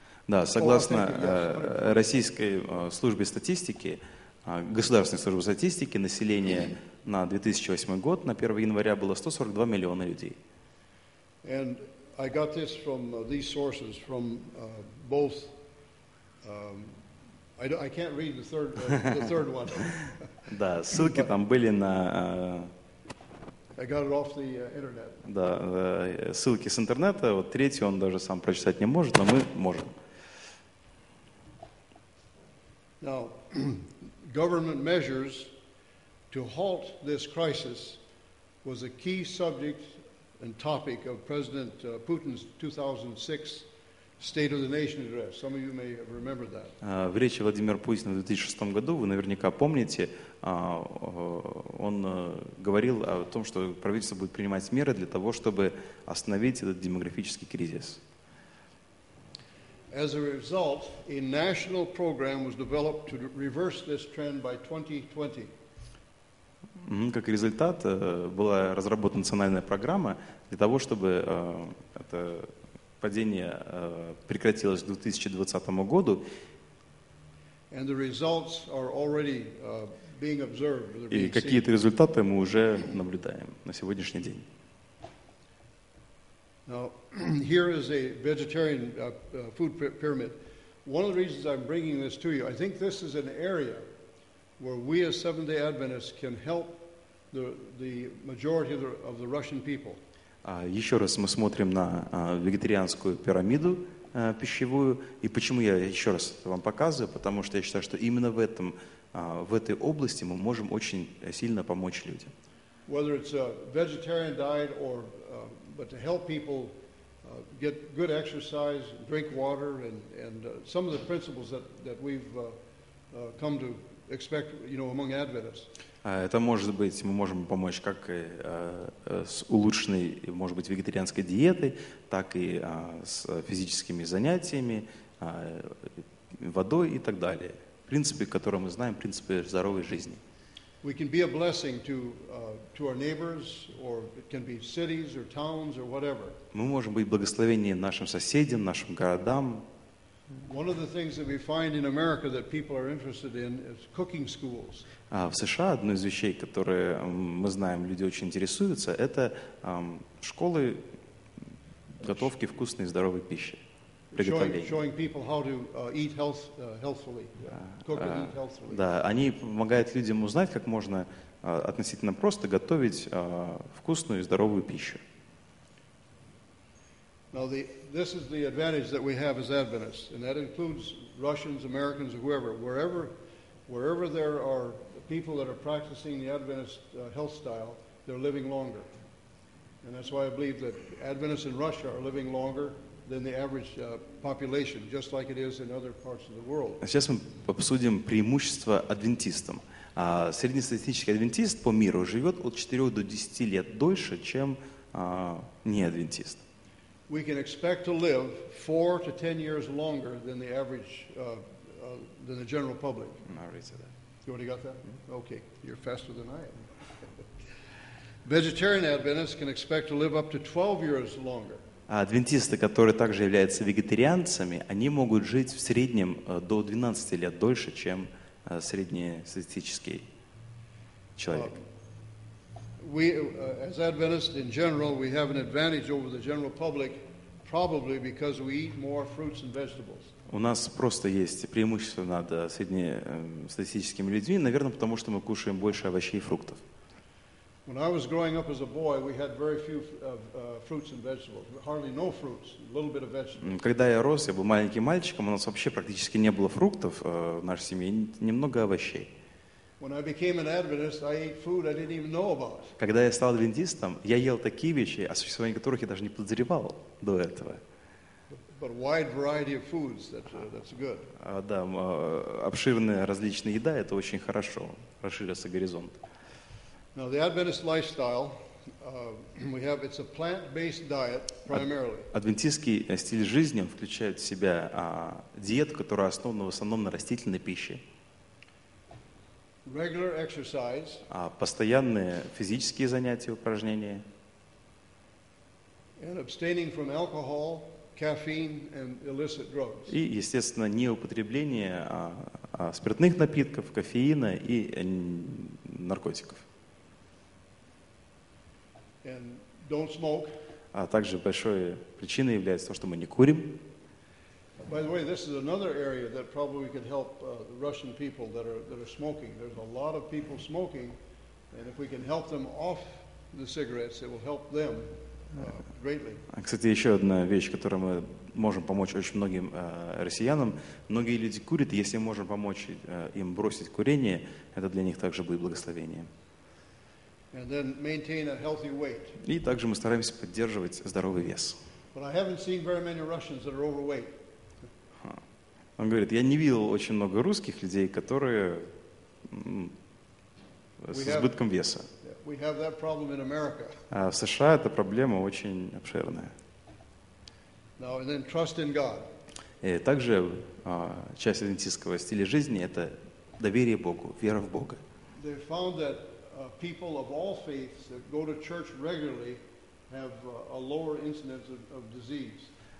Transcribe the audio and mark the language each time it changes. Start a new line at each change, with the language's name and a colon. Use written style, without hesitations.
Russian: Да, согласно российской службе статистики, государственной службе статистики, население на 2008 год, на 1 января было 142 миллиона людей.
English: And I got this from these sources, from both... I can't read the third one.
Russian: Да, ссылки там были на...
English: I got it off the internet.
Russian: Да, ссылки с интернета. Вот третий он даже сам прочитать не может, но мы можем.
English: Now, government measures to halt this crisis was a key subject and topic of President Putin's 2006 State of the Nation address. Some of you may remember that.
Russian: В речи Владимира Путина в 2006 году, вы наверняка помните, он говорил о том, что правительство будет принимать меры для того, чтобы остановить этот демографический кризис.
English: As a result, a national program was developed to reverse this trend by 2020.
Russian: Как результат, была разработана национальная программа для того, чтобы это падение прекратилось к 2020 году.
English: And the results are already, being observed, they're being seen.
Russian: И какие-то результаты мы уже наблюдаем на сегодняшний день.
English: Now, here is a vegetarian food pyramid. One of the reasons I'm bringing this to you, I think this is an area where we as Seventh-day Adventists can help the majority of the Russian people.
Russian: Еще раз мы смотрим на вегетарианскую пирамиду пищевую. И почему я еще раз вам показываю? Потому что я считаю, что именно в этом, в этой области мы можем очень сильно помочь людям.
English: Whether it's a vegetarian diet or but to help people get good exercise, drink water, and some of the principles that we've come to expect, you know, among Adventists.
Russian: Это может быть, мы можем помочь как с улучшенной, может быть, вегетарианской диетой, так и с физическими занятиями, водой и так далее. Принципы, которые мы знаем, принципы здоровой жизни.
English: We can be a blessing to our neighbors, or it can be cities or towns or whatever.
Russian: Мы можем быть благословением нашим соседям, нашим городам.
English: One of the things that we find in America that people are interested in is cooking schools.
Russian: В США одна из вещей, которые мы знаем, люди очень интересуются, это школы готовки вкусной и здоровой пищи.
English: Showing people how to eat healthfully. Cook and eat healthfully.
Russian: Да, они помогают людям узнать, как можно относительно просто готовить вкусную и здоровую пищу.
English: Now this is the advantage that we have as Adventists, and that includes Russians, Americans, or whoever. Wherever there are people that are practicing the Adventist health style, they're living longer. And that's why I believe that Adventists in Russia are living longer than the average population, just like it is in other parts of the world.
Russian: Сейчас мы обсудим преимущества адвентистам. Среднестатистический адвентист по миру живет от 4 до 10 лет дольше, чем неадвентист.
English: We can expect to live 4 to 10 years longer than the average than the general public. I already said that. You already got that? Mm-hmm. Okay, you're faster than I am. Vegetarian Adventists can expect to live up to 12 years longer.
Russian: Адвентисты, которые также являются вегетарианцами, они могут жить в среднем до 12 лет дольше, чем среднестатистический человек.
English: We, as Adventists in general, we have an advantage over the general public, probably because we eat more fruits and vegetables.
Russian: У нас просто есть преимущество над среднестатистическими людьми, наверное, потому что мы кушаем больше овощей и фруктов.
English: When I was growing up as a boy, we had very few fruits and vegetables. Hardly no fruits, a little bit of vegetables.
Russian: Когда я рос, я был маленьким мальчиком, у нас вообще практически не было фруктов в нашей семье, немного овощей.
English: When I became an Adventist, I ate food I didn't even know about.
Russian: Когда я стал адвентистом, я ел такие вещи, о существовании которых я даже не подозревал до этого.
English: But a wide variety of foods, that's good.
Russian: Да, обширная различная еда – это очень хорошо, расширился горизонт.
English: Now the Adventist lifestyle we have, it's a plant-based diet primarily.
Russian: Адвентистский стиль жизни включает в себя диету, которая основана в основном на растительной пище.
English: Regular exercise.
Russian: Постоянные физические занятия, упражнения.
English: And abstaining from alcohol, caffeine, and illicit drugs.
Russian: И, естественно, не употребление спиртных напитков, кофеина и наркотиков.
English: And don't smoke.
Russian: А также большой причиной является то, что мы не курим.
English: By the way, this is another area that probably we could help the Russian people that are smoking. There's a lot of people smoking, and if we can help them off the cigarettes, it will help them greatly.
Russian: Кстати, еще одна вещь, которой мы можем помочь очень многим россиянам. Многие люди курят, и если мы можем помочь им бросить курение, это для них также будет благословением.
English: And then maintain a healthy weight.
Russian: И также мы стараемся поддерживать здоровый вес.
English: But I haven't seen very many Russians that are overweight.
Russian: Он говорит, я не видел очень много русских людей, которые с избытком веса.
English: We have that problem in America.
Russian: А в США эта проблема очень обширная.
English: Now and then trust in God.
Russian: И также часть адвентистского стиля жизни это доверие Богу, вера в Бога.
English: They found that people of all faiths that go to church regularly have a lower incidence of disease.